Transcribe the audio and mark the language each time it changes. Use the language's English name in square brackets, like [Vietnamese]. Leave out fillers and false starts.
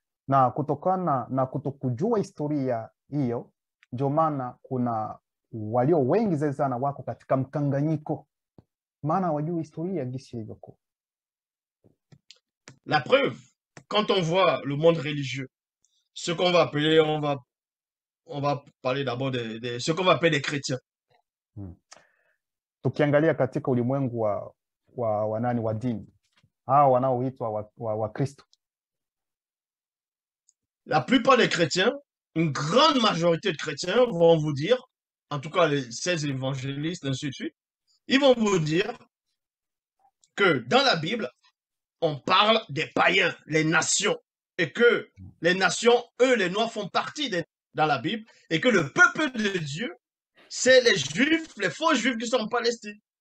[Swahili] Na kutokana na kutokujua historia hiyo, ndio maana kuna walio wengi sana wako katika mkanganyiko. Maana wajui historia gisi hiyo. [French] La preuve, quand on voit le monde religieux, ce qu'on va appeler, on va parler d'abord de ce qu'on va appeler des chrétiens. [Swahili] Tukiangalia katika ulimwengu wa nani wa dini hao wanaoitwa wa Kristo. [French] La plupart des chrétiens, une grande majorité de chrétiens vont vous dire, en tout cas les 16 évangélistes, ainsi de suite, ils vont vous dire que dans la Bible, on parle des païens, les nations, et que les nations, eux, les noirs, font partie dans la Bible, et que le peuple de Dieu, c'est les juifs, les faux juifs qui sont en Palestine.